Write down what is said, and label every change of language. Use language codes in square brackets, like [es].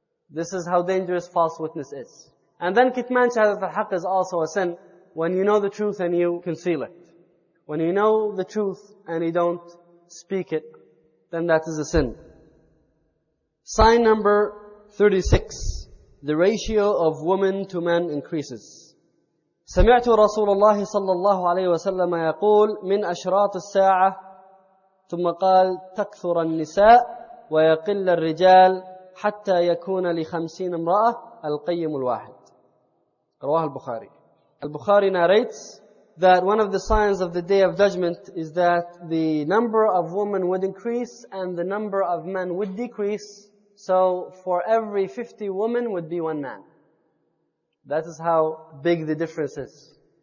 [en] This is how dangerous false witness is. And then [ar] kitman shahadat al-haq [en] is also a sin when you know the truth and you conceal it. When you know the truth and you don't speak it, then that is a sin. Sign number 36. The ratio of women to men increases. [ar] سمعت رسول الله صلى الله عليه وسلم يقول من أشراط الساعة ثم قال تكثر النساء ويقل الرجال حتى يكون لخمسين امرأة القيم الواحد. رواه البخاري. [en] البخاري narrates that one of the signs of the day of judgment is that the number of women would increase and the number of men would decrease. So for every 50 women would be one man. That is how big the difference is.